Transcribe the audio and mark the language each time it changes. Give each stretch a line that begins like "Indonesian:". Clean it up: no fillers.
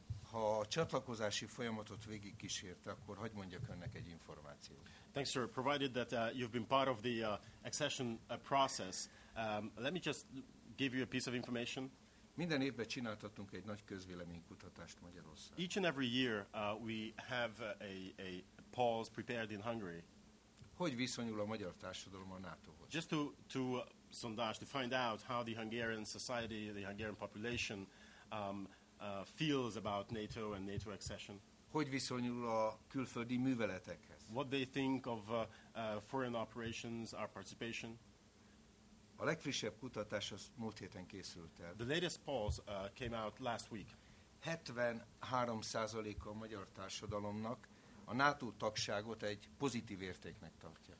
Hungarian: Ha a csatlakozási folyamatot végig kísérte, akkor hogy mondjak önnek egy információt?
English: Thanks, sir. Provided that you've been part of the accession process, let me just give you a piece of information.
Hungarian: Minden évben csináltatunk egy nagy közvéleménykutatást Magyarországon.
English: Each and every year we have a pause prepared in Hungary.
Hungarian: Hogy viszonyul a magyar társadalom a NATO-hoz?
English: Just to sondage, to find out how the Hungarian society, the Hungarian population feels about NATO and NATO accession.
Hungarian: Hogy viszonyul a külföldi műveletekhez?
English: What they think of foreign operations, our participation?
Hungarian: A legfrissebb kutatás az múlt héten készült el.
English: The latest polls came out last week.
Hungarian: 73% a magyar társadalomnak a NATO tagságot egy pozitív értéknek tartja.